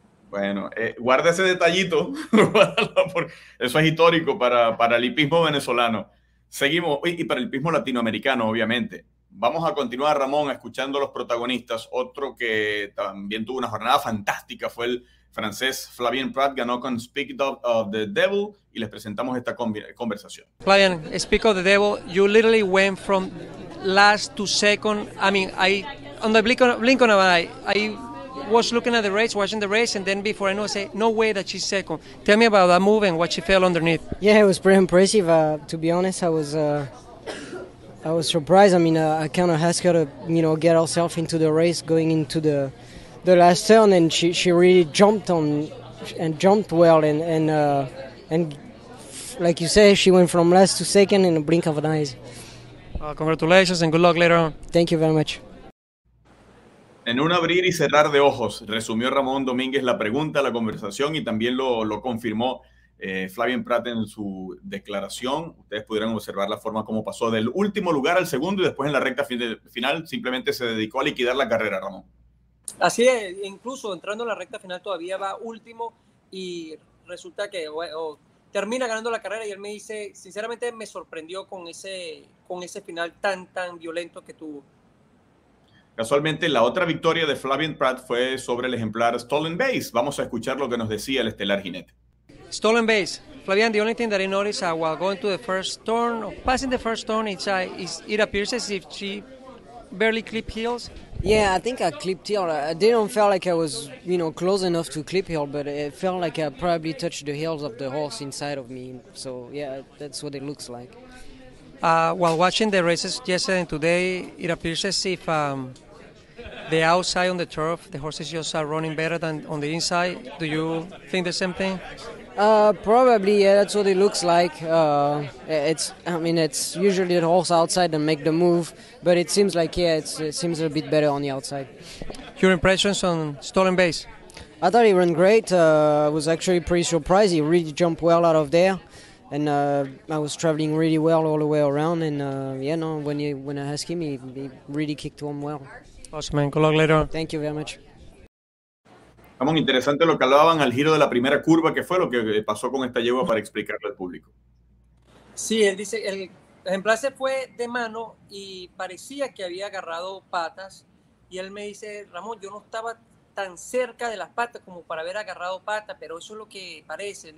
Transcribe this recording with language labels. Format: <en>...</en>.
<es>Bueno, guarda ese detallito. Eso es histórico para el hipismo venezolano. Seguimos. Y para el hipismo latinoamericano, obviamente. Vamos a continuar, Ramón, escuchando a los protagonistas. Otro que también tuvo una jornada fantástica fue el francés Flavien Prat. Ganó con Speak of the Devil. Y les presentamos esta conversación.</es> <en>Flavien, Speak of the Devil, you literally went from last to second. I mean, I on the blink of an eye, I was looking at the race, watching the race, and then before I know, I say, no way that she's second. Tell me about that move and what she felt underneath. Yeah, it was pretty impressive. To be honest, I was surprised. I mean, I kind of asked her to, you know, get herself into the race going into the last turn, and she really jumped well, and like you say, she went from last to second in a blink of an eye. Congratulations and good luck later on. Thank you very much.</en> <es>En un abrir y cerrar de ojos, resumió Ramón Domínguez la pregunta, la conversación, y también lo confirmó Flavien Prat en su declaración. Ustedes pudieron observar la forma como pasó del último lugar al segundo y después en la recta final simplemente se dedicó a liquidar la carrera, Ramón. Así es, incluso entrando en la recta final todavía va último y resulta que termina ganando la carrera, y él me dice, sinceramente me sorprendió con ese final tan violento que tuvo. Casualmente, la otra victoria de Flavien Prat fue sobre el ejemplar Stolen Base. Vamos a escuchar lo que nos decía el estelar jinete.</es> <en>Stolen Base. Flavien, the only thing that I noticed while going to the first turn, or passing the first turn, it appears as if she barely clipped heels. Yeah, I think I clipped heel. I didn't feel like I was, you know, close enough to clip heel, but it felt like I probably touched the heels of the horse inside of me. So, yeah, that's what it looks like. While watching the races yesterday and today, it appears as if the outside on the turf, the horses just are running better than on the inside. Do you think the same thing? Probably, yeah, that's what it looks like. It's usually the horse outside that make the move, but it seems like, yeah, it seems a bit better on the outside. Your impressions on Stolen Base? I thought he ran great. I was actually pretty surprised. He really jumped well out of there. And I was traveling really well all the way around. And yeah, no, when I asked him, he really kicked on well. Awesome, man. Good luck later. Thank you very much.</en> <es>Vamos, interesante lo que hablaban al giro de la primera curva, que fue lo que pasó con esta yegua para explicarle al público. Sí, él dice, el ejemplar se fue de mano y parecía que había agarrado patas. Y él me dice, Ramón, yo no estaba tan cerca de las patas como para haber agarrado patas, pero eso es lo que parece.</es>